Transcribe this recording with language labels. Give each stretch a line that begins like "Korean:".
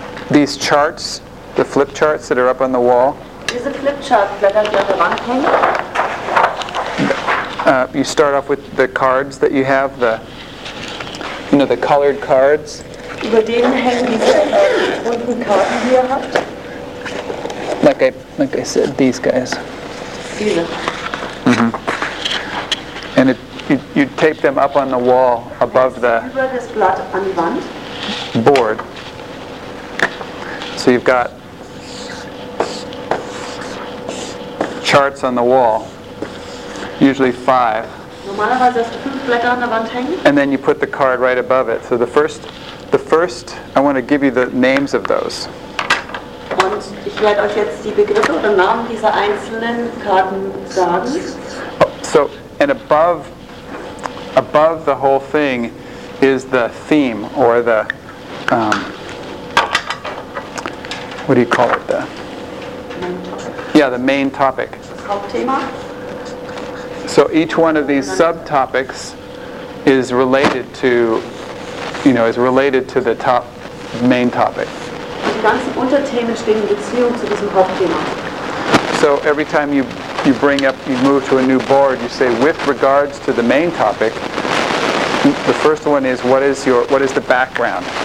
English: So these charts, the flip charts that are up on the wall.
German: Diese flip chart Blätter, die an der Wand hängen.
English: You start off with the cards that you have, the, you know, the colored cards.
German: Über denen hängen diese bunten Karten, die ihr habt.
English: Like I said, these guys.
German: Diese. Mm-hmm.
English: And you tape them up on the wall above the
German: über das Blatt an die Wand.
English: Board. So you've got charts on the wall. Usually five.
German: Normalerweise hast du fünf Blätter an der Wand hängen.
English: And then you put the card right above it. So the first, I want to give you the names of those.
German: Und ich werde euch jetzt die Begriffe oder Namen dieser einzelnen Karten sagen.
English: So, and above the whole thing is the theme or the, what do you call it? The main topic. Yeah, the main topic.
German: Hauptthema.
English: So each one of these subtopics is related to, you know, is related to the top main topic.
German: Die ganzen Unterthemen stehen in Beziehung zu diesem Hauptthema.
English: So every time you move to a new board, you say with regards to the main topic. The first one is what is the background?